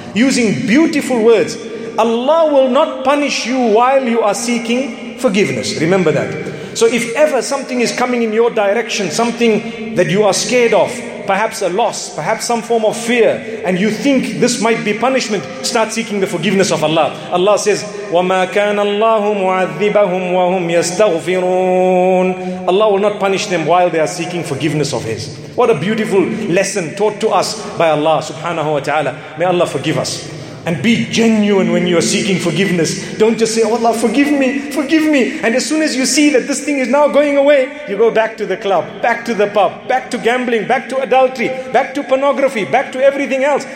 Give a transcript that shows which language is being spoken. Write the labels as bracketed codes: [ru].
[en] Using beautiful words, Allah will not punish you while you are seeking forgiveness. Remember that. So if ever something is coming in your direction, something that you are scared of, perhaps a loss, perhaps some form of fear, and you think this might be punishment, start seeking the forgiveness of Allah. Allah says, [ar] وَمَا كَانَ اللَّهُ مُعَذِّبَهُمْ وَهُمْ يَسْتَغْفِرُونَ. [en] Allah will not punish them while they are seeking forgiveness of His. What a beautiful lesson taught to us by Allah subhanahu wa ta'ala. May Allah forgive us. And be genuine when you are seeking forgiveness. Don't just say, "Oh Allah, forgive me, forgive me." And as soon as you see that this thing is now going away, you go back to the club, back to the pub, back to gambling, back to adultery, back to pornography, back to everything else.